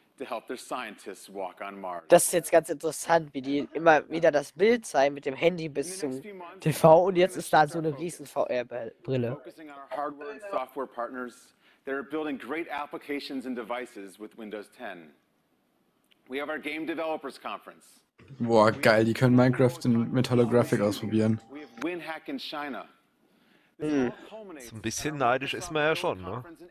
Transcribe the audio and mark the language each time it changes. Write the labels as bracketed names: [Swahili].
[English] to help their scientists walk on Mars. [German] Das ist jetzt ganz interessant, wie die immer wieder das Bild zeigen mit dem Handy bis zum TV und jetzt ist da so eine riesen VR-Brille. [English] Focusing on our hardware and software partners, they are building great applications and devices with Windows 10. We have our game developers conference. [German] Boah, geil, die können Minecraft mit Holographic ausprobieren. So ein bisschen neidisch ist man ja schon, ne?